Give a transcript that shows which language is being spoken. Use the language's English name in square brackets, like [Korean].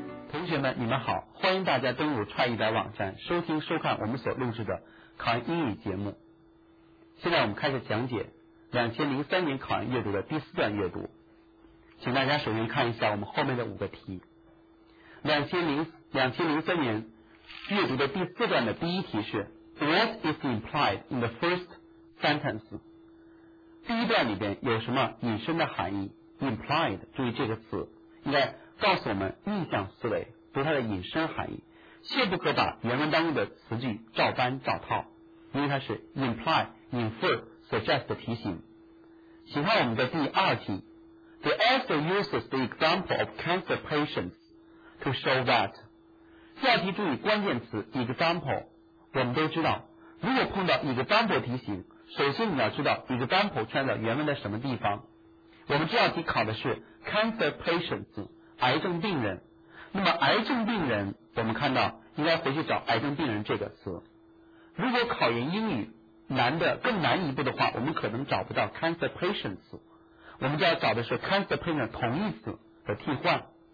[Chinese] 同学们，你们好，欢迎大家登录创意百网站收听收看我们所录制的考研英语节目。现在我们开始讲解2003年考研阅读的第四段阅读，请大家首先看一下我们后面的五个题。 2003年阅读的第四段的第一题是。 [English] What is implied in the first sentence? [Chinese] 第一段里边有什么引申的含义 implied， 注意这个词应该告诉我们印象思维，读它的引申含义，切不可把原文当中的词句照搬照套，因为它是 imply 引申 suggest 的提醒。请看我们的第二题， [English] The author uses the example of cancer patients to show that。 [Chinese] 第二题注意关键词 example， 我们都知道如果碰到 example 提醒，首先你要知道 example 出现在原文的什么地方。我们这道题考的是 cancer patients， 癌症病人。那么癌症病人我们看到应该回去找癌症病人这个词，如果考研英语难的更难一步的话，我们可能找不到 cancer patients， 我们就要找的是 cancer patient 同义词的替换。